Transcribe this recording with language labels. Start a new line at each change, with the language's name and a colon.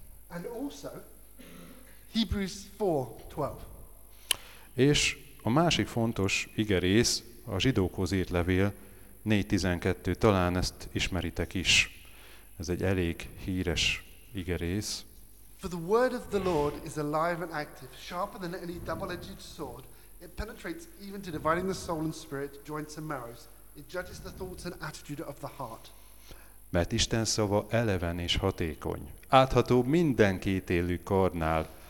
English: And also, Hebrews 4:12.
Hungarian: És a másik fontos igerész, a zsidókhoz írt levél 4:12. Talán ezt ismeritek is. Ez egy elég híres igerész.
English: For the word of the Lord is alive and active, sharper than any double-edged sword. It penetrates even to dividing the soul and spirit, joints and marrows. It judges the thoughts and attitude of the heart.
Hungarian: Mert Isten szava eleven és hatékony. Áthatóbb minden kétélű karnál.